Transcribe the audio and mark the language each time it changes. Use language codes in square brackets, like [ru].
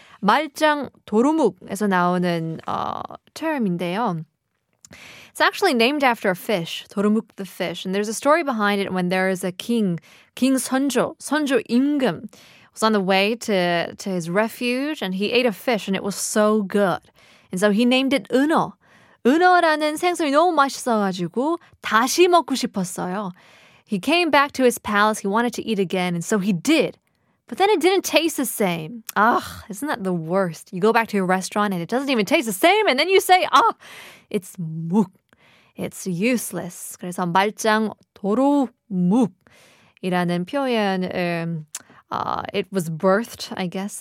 [ko] 말짱 도루묵에서 나오는 term인데요. [en] It's actually named after a fish, 도루묵 the fish. And there's a story behind it when there is a king, King Sonjo, Sonjo Imgum, was on the way to his refuge and he ate a fish and it was so good. And so he named it 은어. [ko] 은어라는 생선이 너무 맛있어가지고 다시 먹고 싶었어요. [en] He came back to his palace. He wanted to eat again, and so he did. But then it didn't taste the same. Ugh, isn't that the worst? You go back to a restaurant, and it doesn't even taste the same, and then you say, ah, it's 묵. It's useless. [ko] 그래서 말짱 도루묵이라는 표현, [en] it was birthed, I guess.